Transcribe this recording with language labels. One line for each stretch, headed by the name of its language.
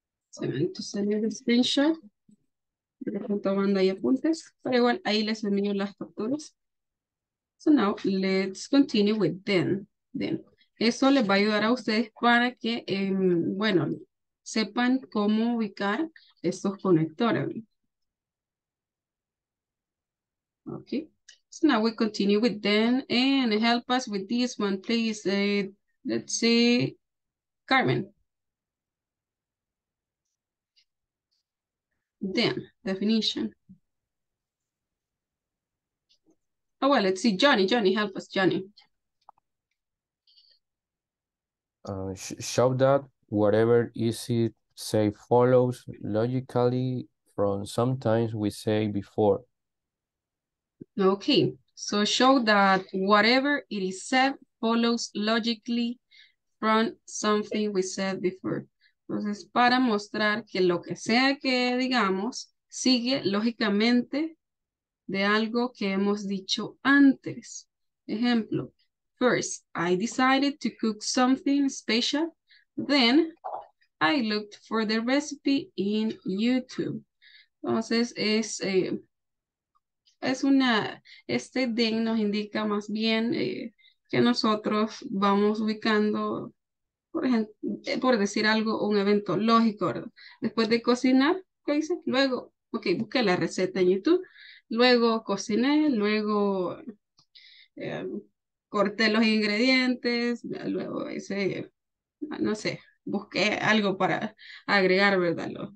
Spanish: Se me ha dicho salir el screenshot. Le estoy tomando ahí apuntes, pero igual ahí les envío las capturas.
English: So now let's continue with then. Then.
Spanish: Eso les va a ayudar a ustedes para que, bueno, sepan cómo ubicar estos conectores.
English: Okay, so now we continue with them and help us with this one, please. Let's see, Carmen. Then, definition. Oh, well, let's see, Johnny, help us, Johnny. Show that whatever is it, say, follows logically from sometimes we say before. Okay, so show that whatever it is said follows logically from something we said before.
Spanish: Entonces, para mostrar que lo que sea que digamos sigue lógicamente de algo que hemos dicho antes.
English: Ejemplo, first, I decided to cook something special. Then, I looked for the recipe in YouTube.
Spanish: Entonces, este den nos indica más bien que nosotros vamos ubicando, por decir algo, un evento lógico, ¿verdad? Después de cocinar, ¿qué hice? Luego, ok, busqué la receta en YouTube, luego cociné, luego corté los ingredientes, luego hice, no sé, busqué algo para agregar, ¿verdad?